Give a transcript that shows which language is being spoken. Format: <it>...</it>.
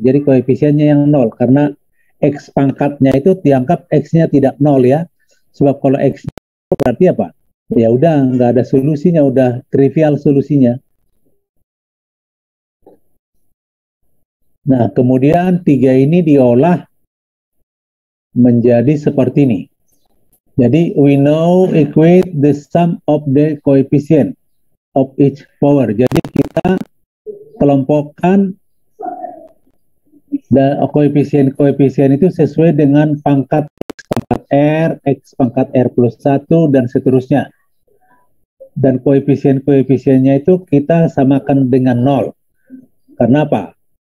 <id>Jadi koefisiennya yang 0 karena X pangkatnya itu dianggap X-nya tidak 0 ya. Sebab kalau X 0 berarti apa? Ya udah nggak ada solusinya, udah trivial solusinya. Nah, kemudian tiga ini diolah menjadi seperti ini.</id> <en>Jadi, we now equate the sum of the coefficient of each power.</en> <id>Jadi, kita kelompokkan koefisien-koefisien itu sesuai dengan pangkat X pangkat R plus 1, dan seterusnya. Dan koefisien-koefisiennya itu kita samakan dengan 0. Kenapa?</id>